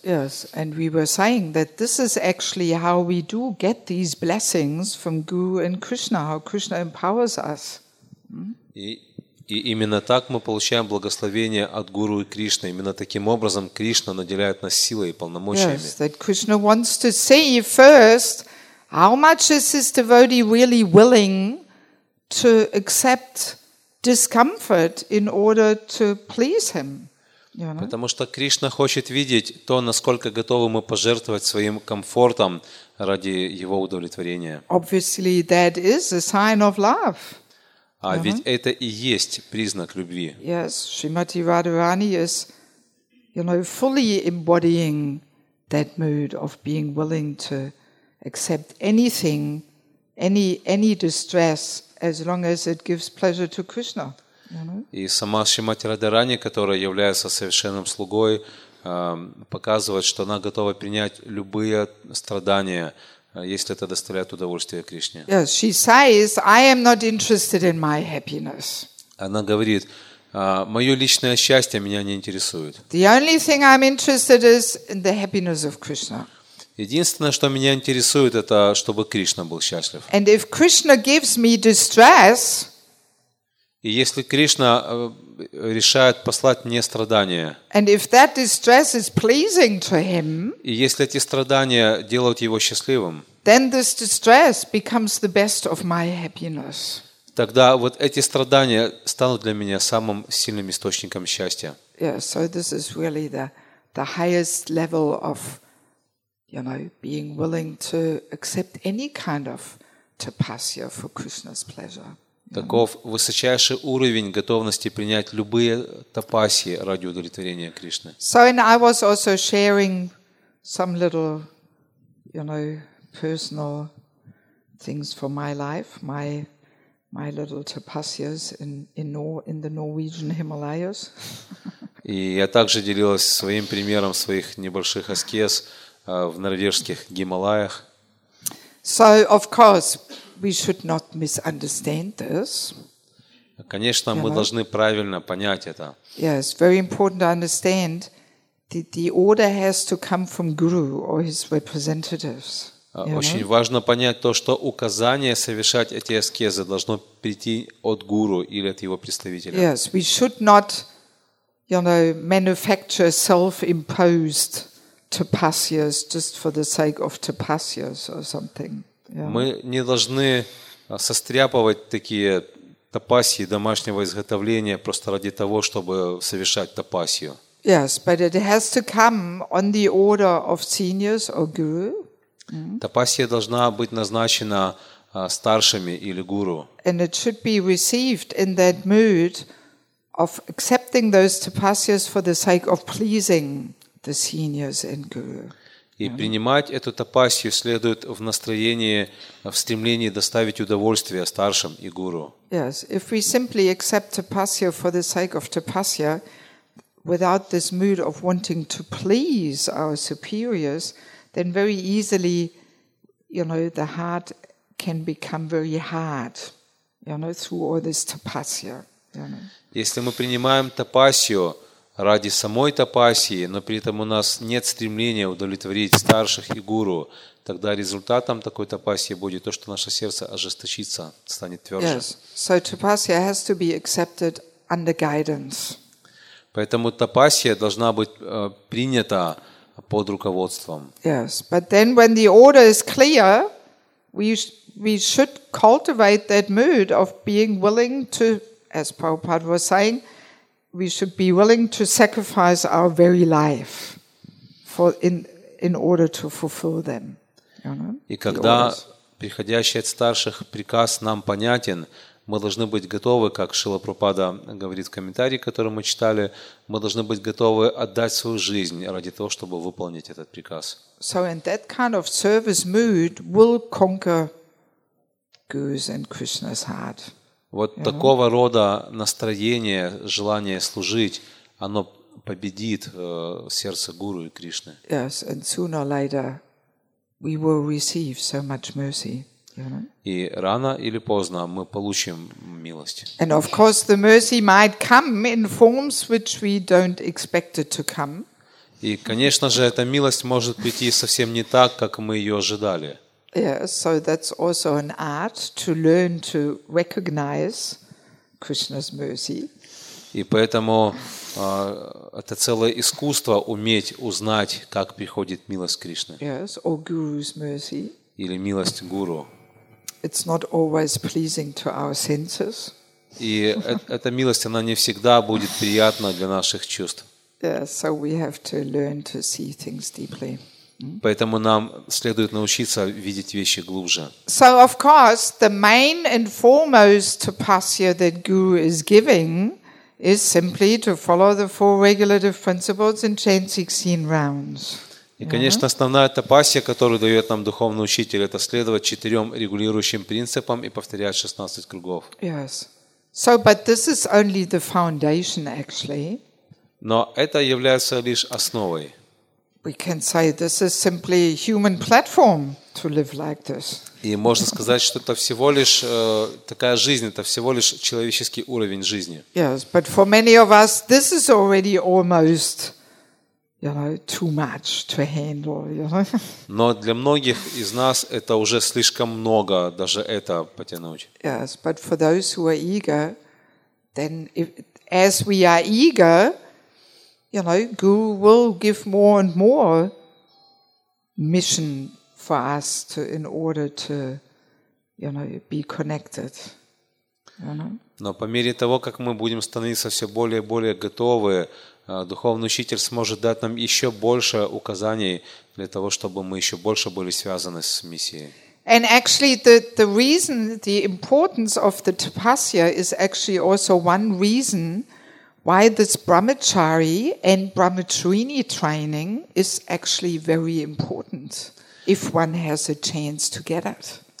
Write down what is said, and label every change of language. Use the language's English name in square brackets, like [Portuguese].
[English] Yes, and we were saying that this is actually how we do get these blessings from Guru and Krishna, how Krishna empowers us. [Russian] И И именно так мы получаем благословение от Гуру и Кришны. Именно таким образом Кришна наделяет нас силой и полномочиями. [English] Yes, that Krishna wants to see first how much is this devotee really willing to accept discomfort in order to please him. [Russian] Потому что Кришна хочет видеть то, насколько готовы мы пожертвовать своим комфортом ради его удовлетворения. [English] Obviously, that is a sign of love. [Russian] А ведь это и есть признак любви. [English] Yes, Srimati Radharani is, you know, fully embodying that mood of being willing to accept anything, any distress, as long as it gives pleasure to Krishna. [Russian] И сама Шримати Радхарани, которая является совершенным слугой, показывает, что она готова принять любые страдания, если это доставляет удовольствие Кришне. [English] Yes, she says, I am not interested in my happiness. [Russian] Она говорит, мое личное счастье меня не интересует. [English] The only thing I'm interested is in the happiness of Krishna. [Russian] Единственное, что меня интересует, это чтобы Кришна был счастлив. [English] And if Krishna gives me distress, [Russian] и если Кришна решает послать мне страдания, [English] and if that distress is pleasing to him, [Russian] и если эти страдания делают его счастливым, [English] then this distress becomes the best of my happiness. [Russian] Тогда вот эти страдания станут для меня самым сильным источником счастья. [English] Yeah, so this is really the highest level of, you know, being willing to accept any kind of tapasya for Krishna's pleasure. [Russian] Таков высочайший уровень готовности принять любые тапаси ради удовлетворения Кришны. [English] So, and I was also sharing some little, you know, personal things for my life, my little tapasyas in the Norwegian Himalayas. [Russian] И я также делилась своим примером своих небольших аскез в норвежских Гималаях. [English] So, of course, we should not misunderstand this. [Russian] Конечно, мы должны правильно понять это. [English] Yes, very important to understand that the order has to come from Guru or his representatives. [Russian] Очень важно понять то, что указание совершать эти аскезы должно прийти от Гуру или от его представителя. [English] Yes, we should not, you know, manufacture self-imposed tapasyas just for the sake of tapasyas or something. [Russian] Мы не должны состряпывать такие тапасьи домашнего изготовления просто ради того, чтобы совершать тапасью. [English] Yes, but it has to come on the order of seniors or guru. [Russian] Тапасья должна быть назначена старшими или гуру. [English] And it should be received in that mood of accepting those tapasyas for the sake of pleasing the seniors and guru. [Russian] И принимать эту тапасью следует в настроении, в стремлении доставить удовольствие старшим и гуру. [English] Yes, if we simply accept tapasya for the sake of tapasya, without this mood of wanting to please our superiors, then very easily, you know, the heart can become very hard, you know, through all this tapasya. You know. [Russian] Если мы принимаем тапасью ради самой тапасии, но при этом у нас нет стремления удовлетворить старших и гуру, тогда результатом такой тапасии будет то, что наше сердце ожесточится, станет тверже. [English] Yes. So tapasya has to be accepted under guidance. [Russian] Поэтому тапасия должна быть принята под руководством. [English] Yes, but then when the order is clear, we should cultivate that mood of being willing to, as Prabhupada was saying, we should be willing to sacrifice our very life for in order to fulfill them. You know, [Russian] и когда приходящий от старших приказ нам понятен, мы должны быть готовы, как Шрила Прабхупада говорит в комментарии, который мы читали, мы должны быть готовы отдать свою жизнь ради того, чтобы выполнить этот приказ. [English] So in that kind of service mood will conquer Guru's and Krishna's heart. [Russian] Вот mm-hmm. такого рода настроение, желание служить, оно победит сердце Гуру и Кришны. [English] Yes, and sooner or later we will receive so much mercy. You know? [Russian] И рано или поздно мы получим милость. [English] And of course the mercy might come in forms which we don't expect it to come. [Russian] И, конечно же, эта милость может прийти совсем не так, как мы ее ожидали. [English] Yeah, so that's also an art to learn to recognize Krishna's mercy. [Russian] И поэтому это целое искусство уметь узнать, как приходит милость Кришны. [English] Yes, or guru's mercy. [Russian] Или милость гуру. [English] It's not always pleasing to our senses. [Russian] И эта милость, она не всегда будет приятна для наших чувств. [English] Yeah, so we have to learn to see things deeply. [Russian] Поэтому нам следует научиться видеть вещи глубже. [English] So of course, the main and foremost tapasya that guru is giving is simply to follow the four regulative principles and chant 16 rounds. [Russian] И, конечно, основная тапасья, которую дает нам духовный учитель, это следовать четырем регулирующим принципам и повторять 16 кругов. [English] Yes. So, but this is only the foundation, actually. [Russian] Но это является лишь основой. [English] We can say this is simply a human platform to live like this. [Russian] И можно сказать, что это всего лишь такая жизнь, это всего лишь человеческий уровень жизни. [English] Yes, but for many of us, this is already almost, you know, too much to handle, you know. [Russian] Но для многих из нас это уже слишком много, даже это потянуть. [English] Yes, but for those who are eager, then if, as we are eager, you know, Guru will give more and more mission for us to, in order to, you know, be connected. You know? [Russian] Но по мере того, как мы будем становиться все более и более готовы, духовный учитель сможет дать нам еще больше указаний для того, чтобы мы еще больше были связаны с миссией. [English] And actually the reason, the importance of the tapasya is actually also one reason why this brahmachari and brahmacharini training is actually very important if one has a chance to get it.